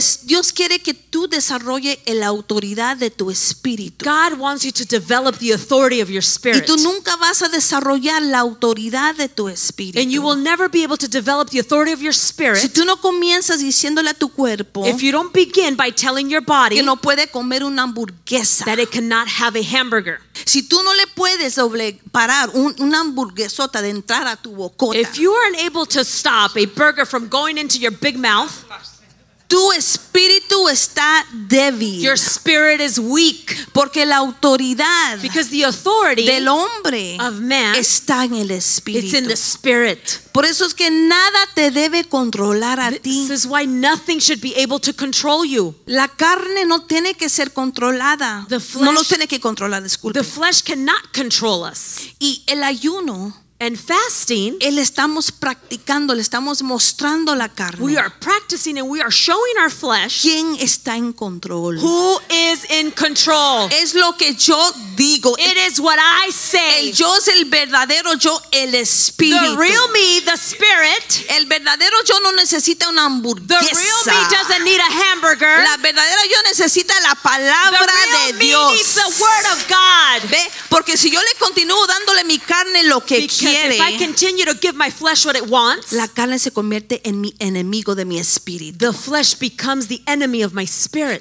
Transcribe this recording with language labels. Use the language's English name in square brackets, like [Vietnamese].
[Spanish] Dios quiere que tú desarrolles la autoridad de tu espíritu. [English] God wants you to develop the authority of your spirit. [Spanish] Y tú nunca vas a desarrollar la autoridad de tu espíritu. [English] And you will never be able to develop the authority of your spirit. [Spanish] Si tú no comienzas diciéndole a tu cuerpo, [English] if you don't begin by telling your body, [Spanish] que no puede comer una hamburguesa, [English] that it cannot have a hamburger. [Spanish] Si tú no le puedes parar una hamburguesota de entrar a tu bocota, [English] if you aren't able to stop a burger from going into your big mouth, [Spanish] tu espíritu está débil. [English] Your spirit is weak. [Spanish] Porque la autoridad, [English] because the authority [Spanish] del hombre, [English] of man, [Spanish] está en el espíritu. [English] It's in the spirit. [Spanish] Por eso es que nada te debe controlar a ti. [English] This is why nothing should be able to control you. [Spanish] La carne no tiene que ser controlada. [English] The flesh, [Spanish] no lo tiene que controlar, disculpe. [English] The flesh cannot control us. [Spanish] Y el ayuno, [English] and fasting, [Spanish] él estamos practicando, le estamos mostrando la carne. [English] We are practicing and we are showing our flesh. [Spanish] ¿Quién está en control? [English] Who is in control? [Spanish] Es lo que yo digo. [English] It is what I say. [Spanish] El yo es el verdadero yo, el espíritu. [English] The real me, the spirit. [Spanish] El verdadero yo no necesita una hamburguesa. [English] The real me doesn't need a hamburger. [Spanish] La verdadera yo necesita la palabra de Dios. [English] The real me needs the word of God. [Spanish] Ve, porque si yo le continúo dándole mi carne lo que [English] because if I continue to give my flesh what it wants, [Spanish] la carne se convierte en mi enemigo de mi espíritu. [English] The flesh becomes the enemy of my spirit.